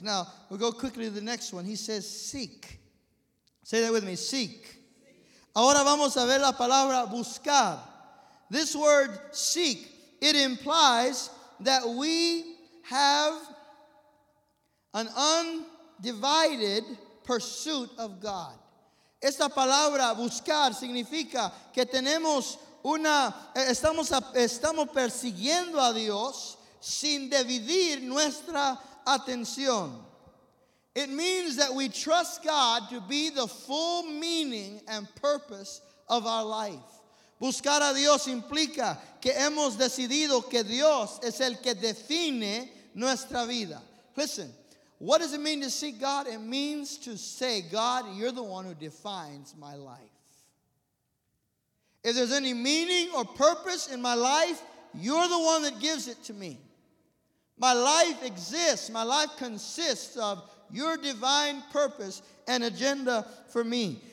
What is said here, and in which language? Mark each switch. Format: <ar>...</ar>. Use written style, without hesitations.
<en>Now, we'll go quickly to the next one. He says, seek. Say that with me, seek.</en> <es>Ahora vamos a ver la palabra buscar.</es> <en>This word, seek, it implies that we have an undivided pursuit of God.</en> <es>Esta palabra, buscar, significa que tenemos una, estamos persiguiendo a Dios sin dividir nuestra atención.</es> <en>It means that we trust God to be the full meaning and purpose of our life.</en> <es>Buscar a Dios implica que hemos decidido que Dios es el que define nuestra vida.</es> <en>Listen, what does it mean to seek God? It means to say, God, you're the one who defines my life. If there's any meaning or purpose in my life, you're the one that gives it to me. My life exists, my life consists of your divine purpose and agenda for me.</en>